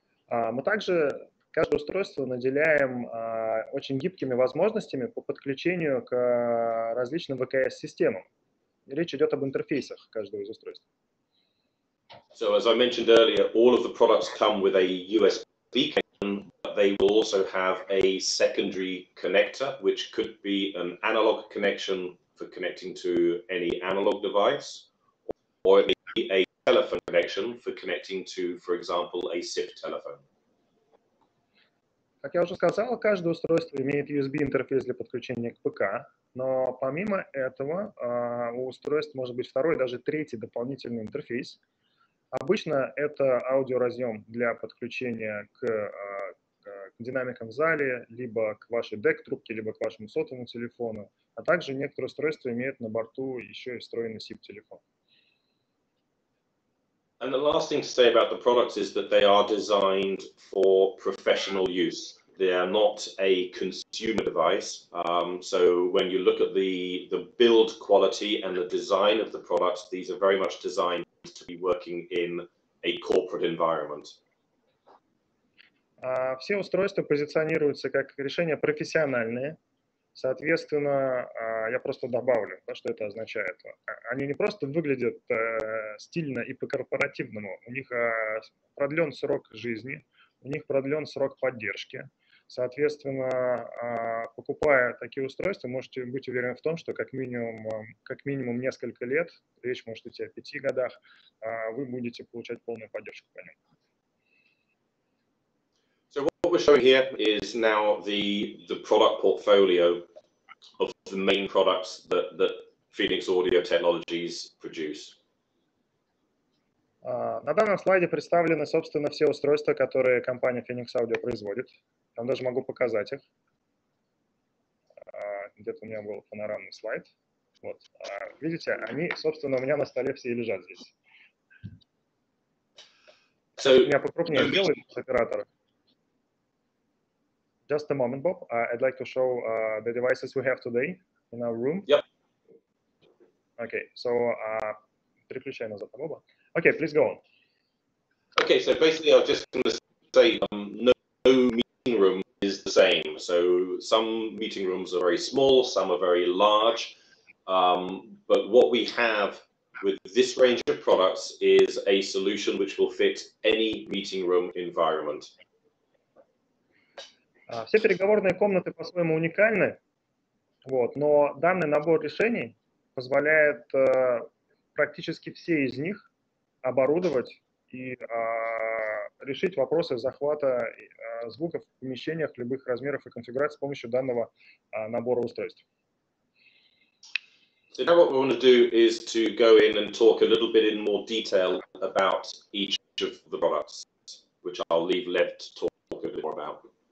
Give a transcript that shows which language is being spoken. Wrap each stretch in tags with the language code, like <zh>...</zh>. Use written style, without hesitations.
<ru>Мы также каждое устройство наделяем очень гибкими возможностями по подключению к различным ВКС-системам. Речь идет об интерфейсах каждого из устройств.</ru> <en>So, as I mentioned earlier, all of the products come with a USB connection, but they will also have a secondary connector, which could be an analog connection for connecting to any analog device, or it may be a telephone connection for connecting to, for example, a SIP telephone.</en> <ru>Как я уже сказал, каждое устройство имеет USB-интерфейс для подключения к ПК, но помимо этого у устройств может быть второй, даже третий дополнительный интерфейс. Обычно это аудиоразъем для подключения к динамикам в зале, либо к вашей DAC-трубке, либо к вашему сотовому телефону, а также некоторые устройства имеют на борту еще и встроенный SIP-телефон.</ru> <en>And the last thing to say about the products is that they are designed for professional use. They are not a consumer device. So when you look at the build quality and the design of the products, these are very much designed to be working in a corporate environment.</en> <ru>Все устройства позиционируются как решения профессиональные. Соответственно, я просто добавлю, что это означает. Они не просто выглядят стильно и по-корпоративному, у них продлен срок жизни, у них продлен срок поддержки. Соответственно, покупая такие устройства, можете быть уверены в том, что как минимум несколько лет, речь может идти о 5 годах, вы будете получать полную поддержку по ним.</ru> <en>What we're showing here is now the product portfolio of the main products that Phoenix Audio Technologies produce.</en> <ru>На данном слайде представлены, собственно, все устройства, которые компания Phoenix Audio производит. Я вам даже могу показать их. Где-то у меня был панорамный слайд. Вот. Видите, они, собственно, у меня на столе все и лежат здесь. So, меня покрупнее сделают с оператором.</ru> <en>Just a moment, Bob. I'd like to show the devices we have today in our room. Yep. Okay, so</en> <ru>переключай назад,</ru> <en>Bob. Okay, please go on. Okay, so basically I was just going to say no meeting room is the same. So some meeting rooms are very small, some are very large. But what we have with this range of products is a solution which will fit any meeting room environment.</en> <ru>Все переговорные комнаты по-своему уникальны, вот, но данный набор решений позволяет практически все из них оборудовать и решить вопросы захвата звуков в помещениях любых размеров и конфигураций с помощью данного набора устройств.</ru> <en>So now what we want to do is to go in and talk a little bit in more detail about each of the products, which I'll leave Lev to talk a bit more about.</en>